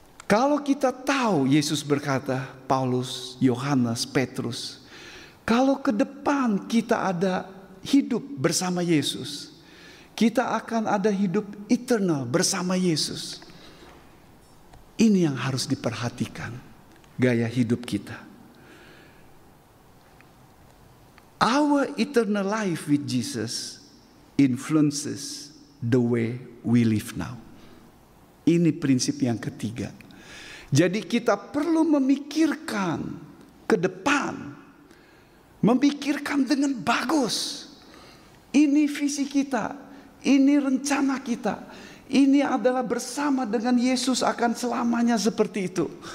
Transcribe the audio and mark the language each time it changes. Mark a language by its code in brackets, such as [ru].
[id] Kalau kita tahu, Yesus berkata, Paulus, Yohanes, Petrus, kalau ke depan kita ada hidup bersama Yesus, kita akan ada hidup eternal bersama Yesus. Ini yang harus diperhatikan, gaya hidup kita. [en] Our eternal life with Jesus influences the way we live now. [id] Ini prinsip yang ketiga. Jadi kita perlu memikirkan ke depan, memikirkan dengan bagus. Ini visi kita, ini rencana kita, ini adalah bersama dengan Yesus akan selamanya seperti itu.